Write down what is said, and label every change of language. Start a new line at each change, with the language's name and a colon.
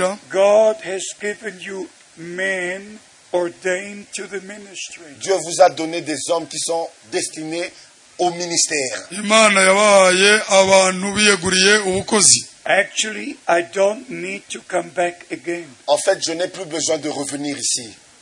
English: God has given you men ordained to the ministry.
French: Dieu vous a donné des hommes qui sont destinés au ministère.
Kinyarwanda: Imana yabahaye abantu biyeguriye ubukozi.
English: Actually, I don't need to come back again.
French: En fait, je n'ai plus besoin de revenir ici.